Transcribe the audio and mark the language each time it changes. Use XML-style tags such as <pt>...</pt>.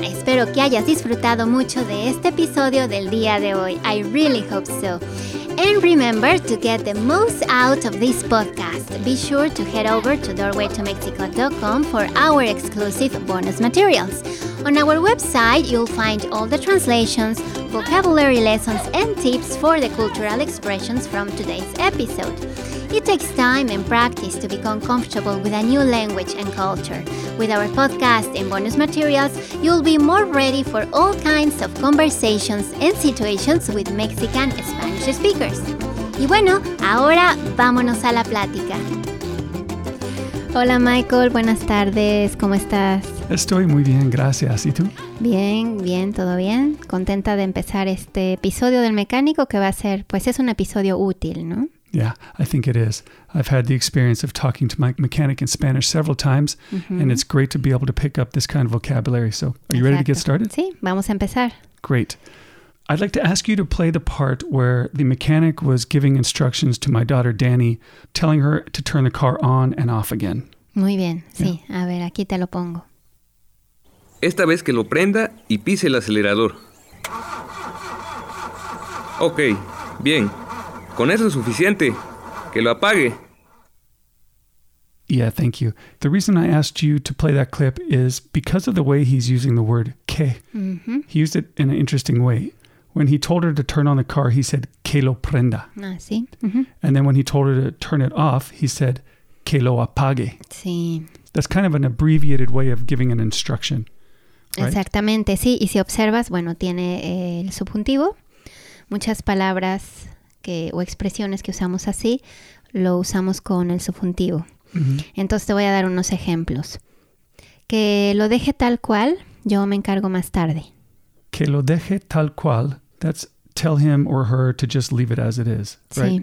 <es>Espero que hayas disfrutado mucho de este episodio del día de hoy.</es> <en>I really hope so. And remember to get the most out of this podcast. Be sure to head over to doorwaytomexico.com for our exclusive bonus materials. On our website, you'll find all the translations, vocabulary lessons, and tips for the cultural expressions from today's episode. It takes time and practice to become comfortable with a new language and culture. With our podcast and bonus materials, you'll be more ready for all kinds of conversations and situations with Mexican Spanish speakers.</en> <es>Y bueno, ahora vámonos a la plática. Hola, Michael. Buenas tardes. ¿Cómo estás? Estoy muy bien, gracias. ¿Y tú? Bien, bien, todo bien. Contenta de empezar este episodio del mecánico que va a ser, pues es un episodio útil, ¿no?</es> <en>Yeah, I think it is. I've had the experience of talking to my mechanic in Spanish several times, and it's great to be able to pick up this kind of vocabulary. So, are you ready to get started?</en> <es>Sí, vamos a empezar.</es> <en>Great. I'd like to ask you to play the part where the mechanic was giving instructions to my daughter, Dani, telling her to turn the car on and off again.</en> <es>Muy bien, sí. Yeah. A ver, aquí te lo pongo. Esta vez que lo prenda y pise el acelerador. Ok, bien. Con eso es suficiente. Que lo apague.</es> <en>Yeah, thank you. The reason I asked you to play that clip is because of the way he's using the word que. Mm-hmm. He used it in an interesting way. When he told her to turn on the car, he said</en> <es>que lo prenda. Ah, sí. Mm-hmm.</es> <en>And then when he told her to turn it off, he said</en> <es>que lo apague. Sí.</es> <en>That's kind of an abbreviated way of giving an instruction. Right?</en> <es>Exactamente, sí. Y si observas, bueno, tiene el subjuntivo. Muchas palabras que, o expresiones que usamos así, lo usamos con el subjuntivo. Mm-hmm. Entonces te voy a dar unos ejemplos. Que lo deje tal cual, yo me encargo más tarde. Que lo deje tal cual,</es> <en>that's tell him or her to just leave it as it is. Right?</en>